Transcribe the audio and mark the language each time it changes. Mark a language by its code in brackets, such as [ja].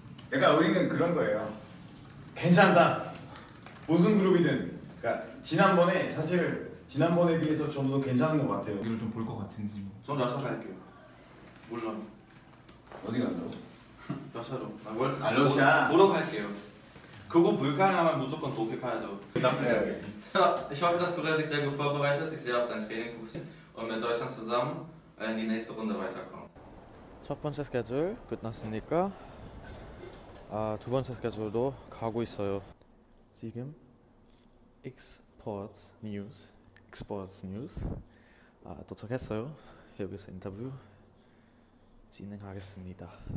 [ko] 그러니까 우리는 그런 거예요. 괜찮다. 무슨 그룹이든. 그러니까 지난번에 사실 지난번에 비해서 좀 더 괜찮은 것 같아요. 이걸 좀 볼 것 같은지. 전 러시아 갈게요. 물론. 어디 간다고? 러시아로. 아, 월드, 아 러시아. 보러 갈게요. 그거 불가능하면 무조건 독일 가야 돼요. 남편이. [de] Ich hoffe, dass Bruder sich sehr gut vorbereitet, sich sehr auf sein Training fokussiert und mit Deutschland zusammen in die nächste Runde weiterkommt. [ko] 첫 번째 스케줄 끝났으니까 아, 두 번째 스케줄도 가고 있어요. 지금 Exports News 아, 도착했어요. 여기서 인터뷰 진행하겠습니다.